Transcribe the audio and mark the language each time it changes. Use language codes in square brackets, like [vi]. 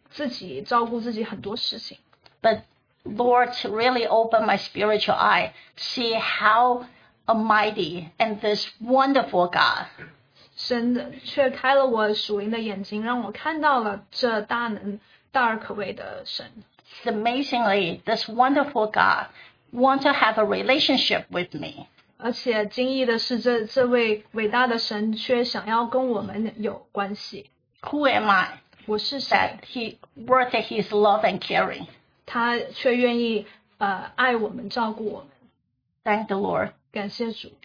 [zh] 我以为我很有能力可以自己照顾自己很多事情。 [en] But Lord really opened my spiritual eye, see how almighty and this wonderful God. [zh] 神却开了我属灵的眼睛, 让我看到了这大能大而可畏的神。 [en] Amazingly, this wonderful God wants to have a relationship with me. [zh] 而且惊异的是这位伟大的神却想要跟我们有关系。 [en] Who am I? [zh] 我是谁? [en] That he worth his love and caring. [zh] 他却愿意, 爱我们照顾我们。 [en] Thank the Lord. [zh] 感谢主。